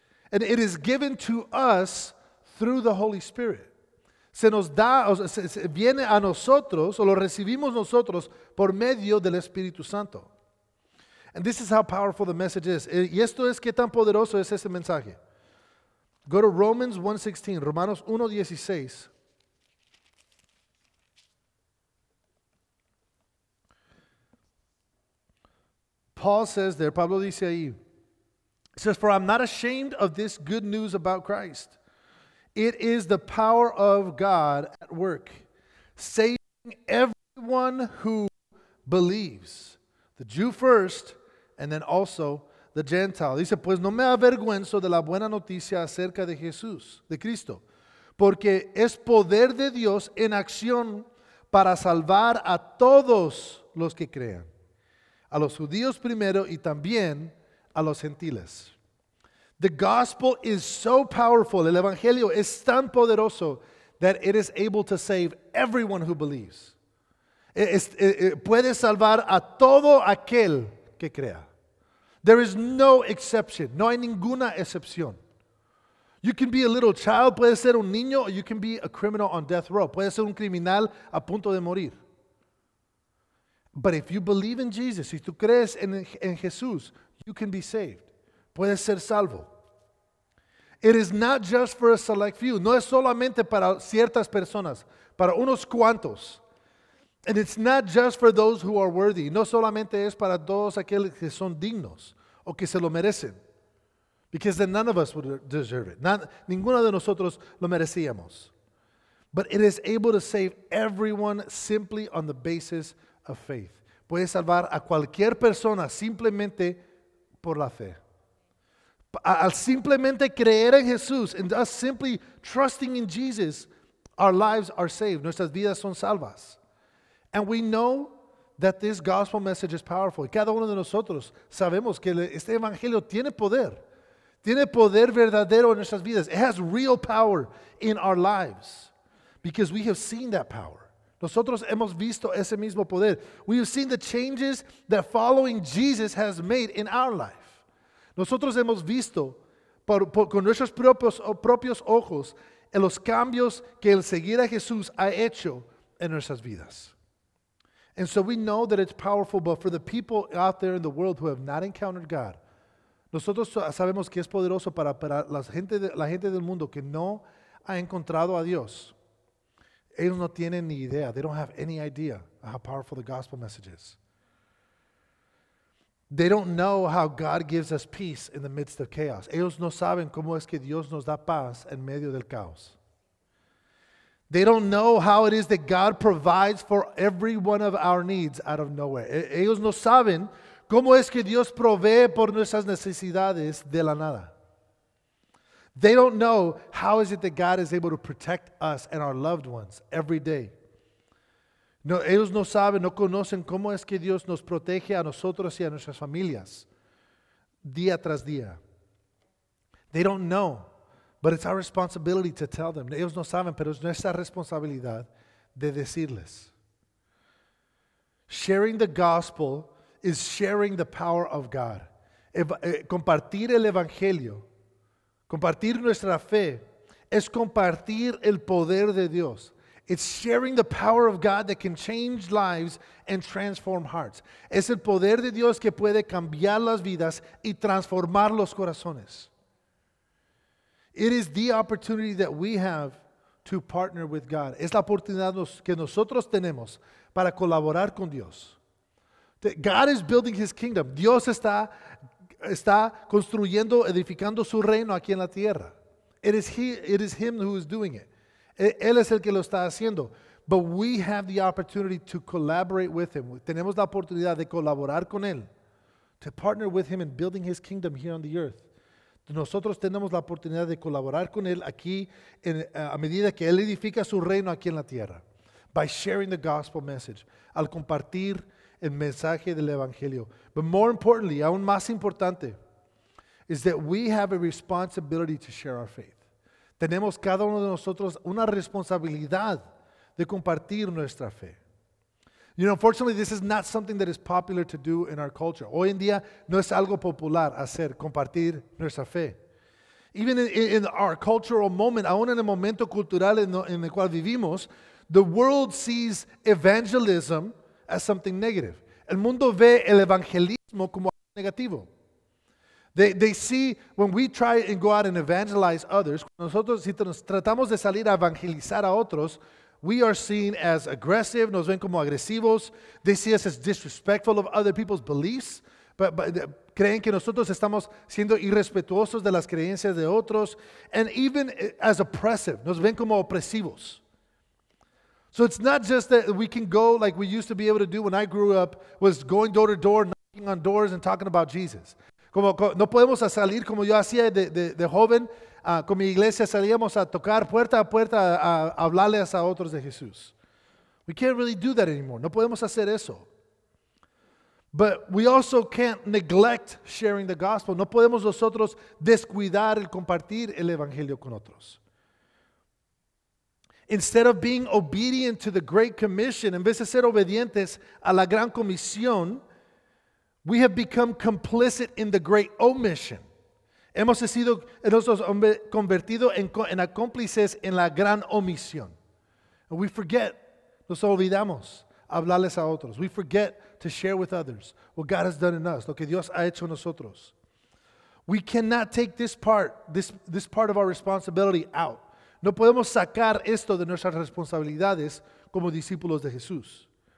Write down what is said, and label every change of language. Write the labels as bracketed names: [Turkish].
[English] And it is given to us through the Holy Spirit. [Spanish] Se nos da, o sea, se viene a nosotros, o lo recibimos nosotros, por medio del Espíritu Santo. [English] And this is how powerful the message is. [Spanish] Y esto es qué tan poderoso es este mensaje. [English] Go to Romans 1:16, Romanos 1:16. Paul says there, [Spanish] Pablo dice ahí, [English] he says, for I'm not ashamed of this good news about Christ. It is the power of God at work, saving everyone who believes, the Jew first, and then also the Gentile. [Spanish] Dice, pues no me avergüenzo de la buena noticia acerca de Jesús, de Cristo, porque es poder de Dios en acción para salvar a todos los que crean, a los judíos primero y también a los gentiles. [English] The gospel is so powerful, [Spanish] el evangelio es tan poderoso, [English] that it is able to save everyone who believes. [Spanish] Puede salvar a todo aquel que crea. [English] There is no exception, [Spanish] no hay ninguna excepción. [English] You can be a little child, [Spanish] puede ser un niño, [English] or you can be a criminal on death row. [Spanish] Puede ser un criminal a punto de morir. [English] But if you believe in Jesus, [Spanish] si tú crees en Jesús, [English] you can be saved. [Spanish] Puedes ser salvo. [English] It is not just for a select few. [Spanish] No es solamente para ciertas personas, para unos cuantos. [English] And it's not just for those who are worthy. [Spanish] No solamente es para todos aquellos que son dignos o que se lo merecen. [English] Because then none of us would deserve it. [Spanish] Ninguno de nosotros lo merecíamos. [English] But it is able to save everyone simply on the basis of faith. [Spanish] Puede salvar a cualquier persona simplemente por la fe. Al simplemente creer en Jesús, [English] and us simply trusting in Jesus, our lives are saved. [Spanish] Nuestras vidas son salvas. [English] And we know that this gospel message is powerful. [Spanish] Y cada uno de nosotros sabemos que este evangelio tiene poder. Tiene poder verdadero en nuestras vidas. [English] It has real power in our lives. Because we have seen that power. [Spanish] Nosotros hemos visto ese mismo poder. [English] We have seen the changes that following Jesus has made in our life. [Spanish] Nosotros hemos visto con nuestros propios ojos en los cambios que el seguir a Jesús ha hecho en nuestras vidas. [English] And so we know that it's powerful, but for the people out there in the world who have not encountered God, [Spanish] nosotros sabemos que es poderoso para la gente del mundo que no ha encontrado a Dios. Ellos no tienen ni idea. [English] They don't have any idea of how powerful the gospel message is. They don't know how God gives us peace in the midst of chaos. [Spanish] Ellos no saben cómo es que Dios nos da paz en medio del caos. [English] They don't know how it is that God provides for every one of our needs out of nowhere. [Spanish] Ellos no saben cómo es que Dios provee por nuestras necesidades de la nada. [English] They don't know how is it that God is able to protect us and our loved ones every day. [Spanish] No, ellos no saben, no conocen cómo es que Dios nos protege a nosotros y a nuestras familias día tras día. [English] They don't know, but it's our responsibility to tell them. [Spanish] Ellos no saben, pero es nuestra responsabilidad de decirles. [English] Sharing the gospel is sharing the power of God. [Spanish] Compartir el evangelio, compartir nuestra fe, es compartir el poder de Dios. [English] It's sharing the power of God that can change lives and transform hearts. [Spanish] Es el poder de Dios que puede cambiar las vidas y transformar los corazones. [English] It is the opportunity that we have to partner with God. [Spanish] Es la oportunidad que nosotros tenemos para colaborar con Dios. [English] God is building his kingdom. [Spanish] Dios está está construyendo, edificando su reino aquí en la tierra. [English] It is him who is doing it. [Spanish] Él es el que lo está haciendo. [English] But we have the opportunity to collaborate with him. [Spanish] Tenemos la oportunidad de colaborar con él. [English] To partner with him in building his kingdom here on the earth. [Spanish] Nosotros tenemos la oportunidad de colaborar con él aquí en, a medida que él edifica su reino aquí en la tierra. [English] By sharing the gospel message. [Spanish] Al compartir el mensaje del evangelio. [English] But more importantly, [Spanish] aún más importante, [English] is that we have a responsibility to share our faith. [Spanish] Tenemos cada uno de nosotros una responsabilidad de compartir nuestra fe. [English] You know, unfortunately, this is not something that is popular to do in our culture. [Spanish] Hoy en día, no es algo popular hacer, compartir nuestra fe. [English] Even in our cultural moment, [Spanish] aún en el momento cultural en el cual vivimos, [English] the world sees evangelism as something negative. [Spanish] El mundo ve el evangelismo como algo negativo. [English] They see when we try and go out and evangelize others, [Spanish] nosotros si tratamos de salir a evangelizar a otros, [English] we are seen as aggressive, [Spanish] nos ven como agresivos. [English] They see us as disrespectful of other people's beliefs, but [Spanish] creen que nosotros estamos siendo irrespetuosos de las creencias de otros, [English] and even as oppressive, [Spanish] nos ven como opresivos. [English] So it's not just that we can go like we used to be able to do when I grew up, was going door to door, knocking on doors and talking about Jesus. [Spanish] Como, no podemos salir como yo hacía de joven, con mi iglesia salíamos a tocar puerta a puerta a hablarles a otros de Jesús. [English] We can't really do that anymore. [Spanish] No podemos hacer eso. [English] But we also can't neglect sharing the gospel. [Spanish] No podemos nosotros descuidar el compartir el evangelio con otros. [English] Instead of being obedient to the Great Commission, [Spanish] en vez de ser obedientes a la Gran Comisión, [English] we have become complicit in the great omission. [Spanish] Hemos sido nosotros convertidos en cómplices en la gran omisión. [English] And we forget, [Spanish] nos olvidamos hablarles a otros. [English] We forget to share with others what God has done in us, [Spanish] lo que Dios ha hecho en nosotros. [English] We cannot take this part of our responsibility out. [Spanish] No podemos sacar esto de nuestras responsabilidades como discípulos de Jesús.